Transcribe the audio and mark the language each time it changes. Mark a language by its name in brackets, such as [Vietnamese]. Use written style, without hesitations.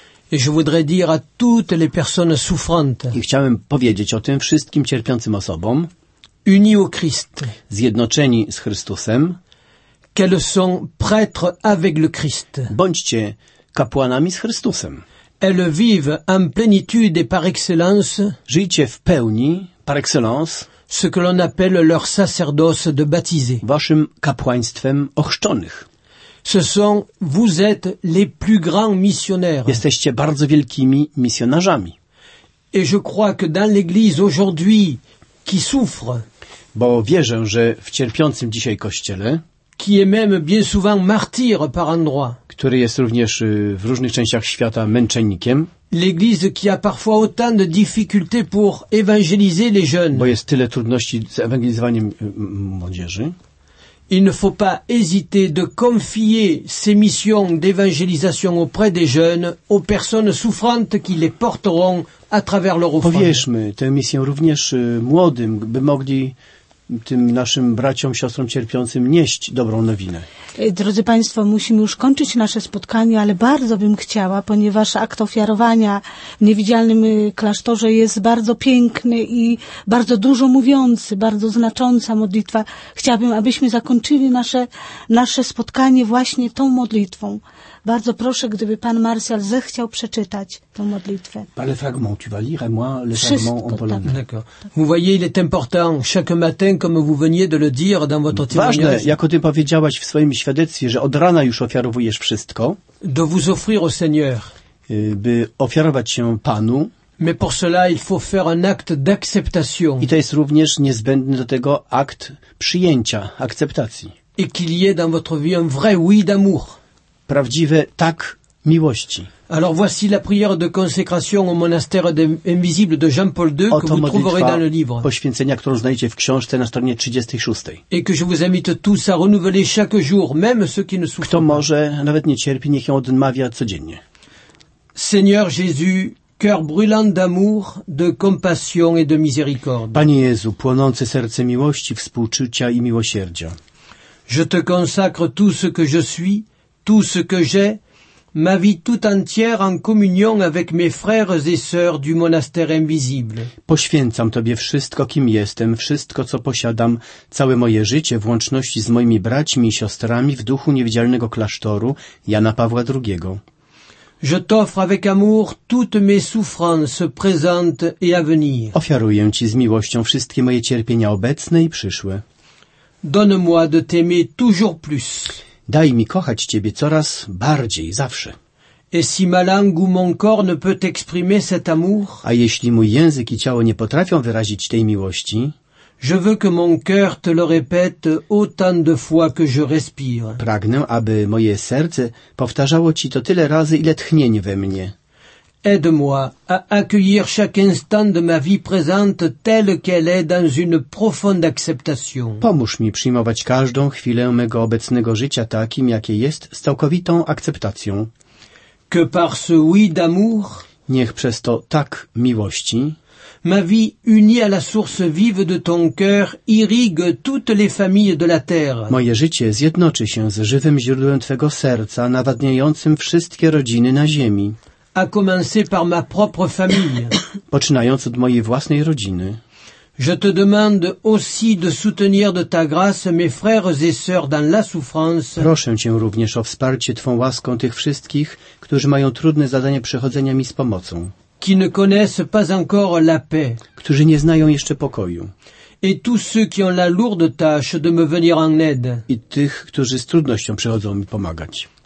[French] Et je voudrais dire à toutes les personnes souffrantes. [Polish] I chciałem powiedzieć o tym wszystkim cierpiącym osobom. [French] Unis au Christ. [Polish] Zjednoczeni z Chrystusem. [French] Qu'elles sont prêtres avec le Christ. [Polish] Bądźcie kapłanami z Chrystusem. [French] Elles vivent en plénitude et par excellence. [Polish] Żyjcie w pełni, par excellence. [French] Ce que l'on appelle leur sacerdoce de baptisés. [Polish] Waszym kapłaństwem ochrzczonych. [French] Ce sont, vous êtes les plus grands missionnaires. [Polish] Jesteście bardzo wielkimi misjonarzami. [French] Et je crois que dans l'église aujourd'hui qui souffre, [Polish] bo wierzę, że w cierpiącym dzisiaj kościele, [French] qui est même bien souvent martyr par endroit, [Polish] który jest również w różnych częściach świata męczennikiem, [French] l'église qui a parfois autant de difficultés pour évangéliser les jeunes, [Polish] bo jest tyle trudności z ewangelizowaniem młodzieży, [French] il ne faut pas hésiter de confier ces missions d'évangélisation auprès des jeunes aux personnes souffrantes qui les porteront à travers leur offrande. [Polish] Powierzmy tę misję również młodym, by mogli tym naszym braciom, siostrom cierpiącym nieść dobrą nowinę. Drodzy Państwo, musimy już kończyć nasze spotkanie, ale bardzo bym chciała, ponieważ akt ofiarowania w niewidzialnym klasztorze jest bardzo piękny i bardzo dużo mówiący, bardzo znacząca modlitwa. Chciałabym, abyśmy zakończyli nasze spotkanie właśnie tą modlitwą. Bardzo proszę, gdyby Pan Martial zechciał przeczytać tę modlitwę. Parę fragmentów, [French] tu vas lire et moi le fragment en polonais. D'accord. Vous voyez, il est important chaque matin, comme vous veniez de le dire dans votre témoignage. [Polish] Ważne, jak o tym powiedziałaś w swoim świadectwie, że od rana już ofiarowujesz wszystko. [French] De vous offrir au Seigneur. [Polish] By ofiarować się Panu. [French] Mais pour cela, il faut faire un acte d'acceptation. [Polish] I to jest również niezbędny do tego akt przyjęcia, akceptacji. [French] Et qu'il y ait dans votre vie un vrai oui d'amour. [Polish] Prawdziwe tak miłości. [French] Alors voici la prière de consécration au monastère invisible de Jean-Paul II, [Polish] oto [French] que vous trouverez dans le livre. [Polish] Poświęcenia, którą znajdziecie w książce na stronie 36. [French] Et que je vous invite tous à renouveler chaque jour, même ceux qui ne souffrent. [Polish] Kto może, nawet nie cierpi, niech ją odmawia codziennie. [French] Seigneur Jésus, cœur brûlant d'amour, de compassion et de miséricorde. [Polish] Panie Jezu, płonące serce miłości, współczucia i miłosierdzia. [French] Je te consacre tout ce que je suis, tout ce que j'ai, ma vie tout entière en communion avec mes frères et sœurs du monastère invisible. [Polish] Poświęcam Tobie wszystko, kim jestem, wszystko, co posiadam, całe moje życie, w łączności z moimi braćmi i siostrami w duchu niewidzialnego klasztoru Jana Pawła II. [French] Je t'offre avec amour toutes mes souffrances présentes et à venir. [Polish] Ofiaruję Ci z miłością wszystkie moje cierpienia obecne i przyszłe. [French] Donne-moi de t'aimer toujours plus. [Polish] Daj mi kochać Ciebie coraz bardziej, zawsze. [French] Et si ma langue ou mon corps ne peut exprimer cet amour, [Polish] a jeśli mój język i ciało nie potrafią wyrazić tej miłości, [French] je veux que mon cœur te le répète autant de fois que je respire. [Polish] Pragnę, aby moje serce powtarzało Ci to tyle razy, ile tchnień we mnie. [French] Aide-moi à accueillir chaque instant de ma vie présente telle qu'elle est dans une profonde acceptation. [Polish] Pomóż mi przyjmować każdą chwilę mego obecnego życia takim, jakie jest, z całkowitą akceptacją. [French] Que par ce oui d'amour, [Polish] niech przez to tak miłości, [French] ma vie unie à la source vive de ton cœur irrigue toutes les familles de la terre. [Polish] Moje życie zjednoczy się z żywym źródłem Twego serca, nawadniającym wszystkie rodziny na ziemi. [French] A commencer par ma propre famille. [Polish] Poczynając od mojej własnej rodziny. [French] Je te demande aussi de soutenir de ta grâce mes frères et sœurs dans la souffrance. [Polish] Proszę Cię również o wsparcie Twą łaską tych wszystkich, którzy mają trudne zadanie przechodzenia mi z pomocą. [French] Qui ne connaissent pas encore la paix. [Polish] Którzy nie znają jeszcze pokoju. [French] Et tous ceux qui ont la lourde tâche de me venir en aide. [Polish] I tych, którzy z trudnością przychodzą mi pomagać.